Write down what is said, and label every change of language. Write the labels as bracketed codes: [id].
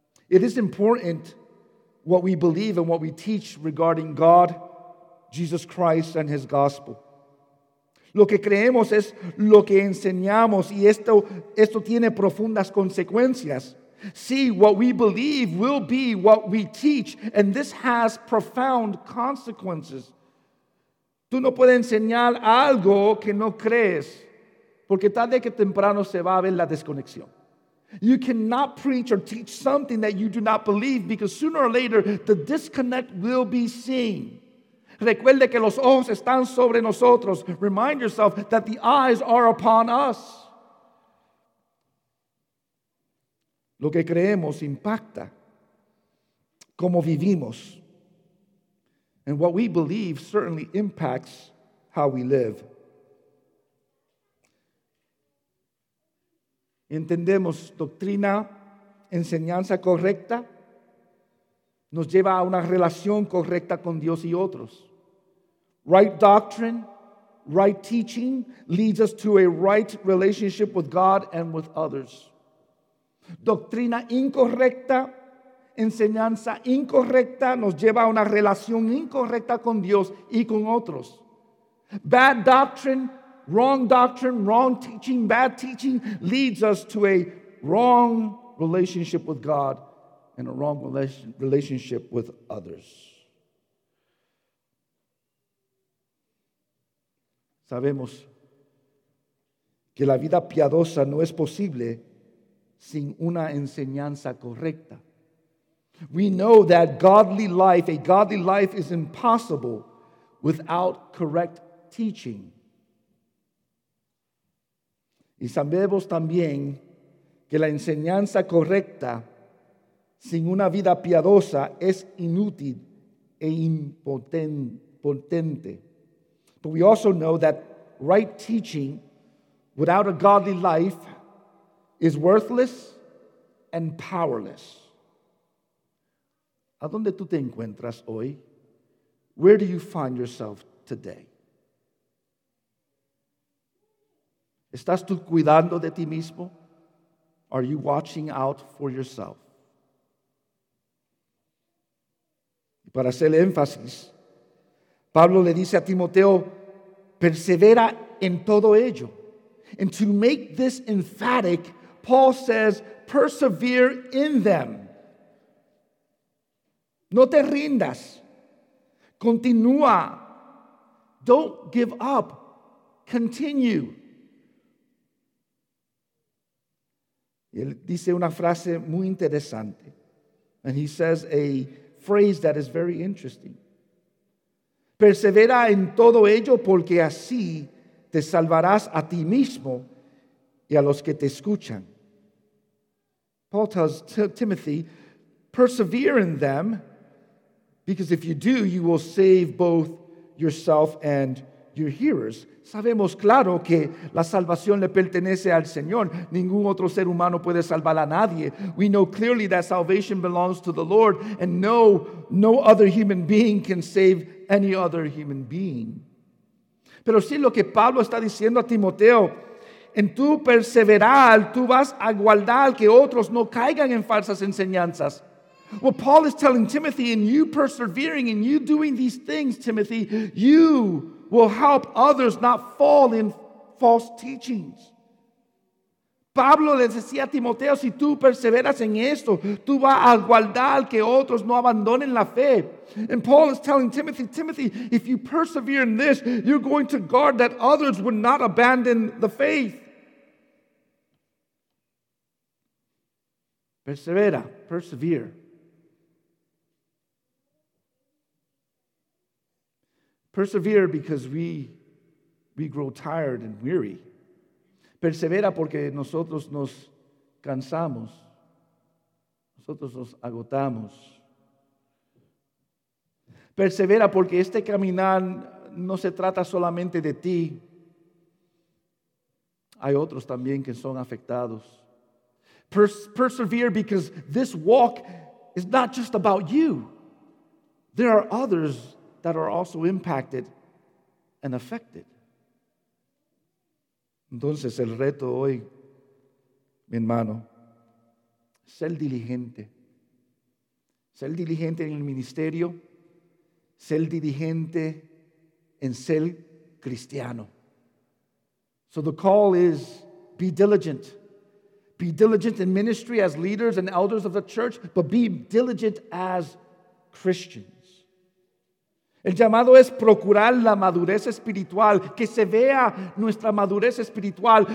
[en] It is important what we believe and what we teach regarding God, Jesus Christ, and His gospel. [es] Lo que creemos es lo que enseñamos y esto tiene profundas consecuencias. [en] See, what we believe will be what we teach, and this has profound consequences. [es] Tú no puedes enseñar algo que no crees, porque tarde que temprano se va a ver la desconexión. [en] You cannot preach or teach something that you do not believe, because sooner or later, the disconnect will be seen. [es] Recuerde que los ojos están sobre nosotros. [en] Remind yourself that the eyes are upon us. [es] Lo que creemos impacta cómo vivimos. [en] And what we believe certainly impacts how we live. [es] Entendemos doctrina, enseñanza correcta, nos lleva a una relación correcta con Dios y otros. [en] Right doctrine, right teaching leads us to a right relationship with God and with others. [es] Doctrina incorrecta, enseñanza incorrecta nos lleva a una relación incorrecta con Dios y con otros. [en] Bad doctrine, wrong teaching, bad teaching leads us to a wrong relationship with God and a wrong relationship with others. [es] Sabemos que la vida piadosa no es posible sin una enseñanza correcta. [en] We know that a godly life is impossible without correct teaching. [es] Y sabemos también que la enseñanza correcta sin una vida piadosa es inútil e impotente. [en] But we also know that right teaching without a godly life is worthless and powerless. [es] ¿A dónde tú te encuentras hoy? [en] Where do you find yourself today? [es] ¿Estás tú cuidando de ti mismo? [en] Are you watching out for yourself? [es] Y para hacer énfasis, Pablo le dice a Timoteo, persevera en todo ello. [en] And to make this emphatic, Paul says, persevere in them. [es] No te rindas. Continúa. [en] Don't give up. Continue. [es] Y él dice una frase muy interesante. [en] And he says a phrase that is very interesting. [es] Persevera en todo ello, porque así te salvarás a ti mismo y a los que te escuchan. [en] Paul tells Timothy, persevere in them, because if you do, you will save both yourself and your hearers. [es] Sabemos, claro, que la salvación le pertenece al Señor. Ningún otro ser humano puede salvar a nadie. [en] We know clearly that salvation belongs to the Lord, and no other human being can save any other human being. [es] Pero sí, lo que Pablo está diciendo a Timoteo, en tu perseverar, tú vas a guardar que otros no caigan en falsas enseñanzas. [en] What Paul is telling Timothy, in you persevering, in you doing these things, Timothy, you will help others not fall in false teachings. [es] Pablo le decía a Timoteo, si tú perseveras en esto, tú vas a guardar que otros no abandonen la fe. [en] And Paul is telling Timothy, Timothy, if you persevere in this, you're going to guard that others would not abandon the faith. [es] Persevera, persevere. [en] Persevere because we grow tired and weary. [es] Persevera porque nosotros nos cansamos. Nosotros nos agotamos. Persevera porque este caminar no se trata solamente de ti. Hay otros también que son afectados. [en] Persevere because this walk is not just about you. There are others that are also impacted and affected. [es] Entonces, el reto hoy, mi hermano, ser diligente. Ser diligente en el ministerio, ser diligente en ser cristiano. [en] So the call is, be diligent. Be diligent in ministry as leaders and elders of the church, but be diligent as Christians. [es] El llamado es procurar la madurez espiritual, que se vea nuestra madurez espiritual.